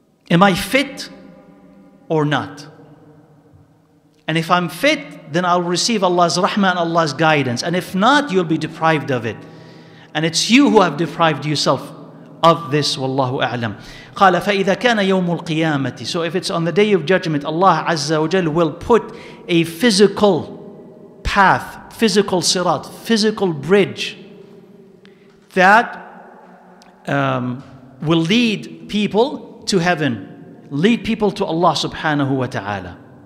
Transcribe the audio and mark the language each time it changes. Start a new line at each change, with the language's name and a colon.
English: Am I fit or not? And if I'm fit, then I'll receive Allah's rahmah and Allah's guidance. And if not, you'll be deprived of it. And it's you who have deprived yourself of this. Wallahu a'lam.
Arabic: قال فإذا كان يوم القيامة.
English: So if it's on the day of judgment, Allah Azza wa Jal will put a physical path, physical sirat, physical bridge that will lead people to heaven, lead people to Allah subhanahu wa ta'ala.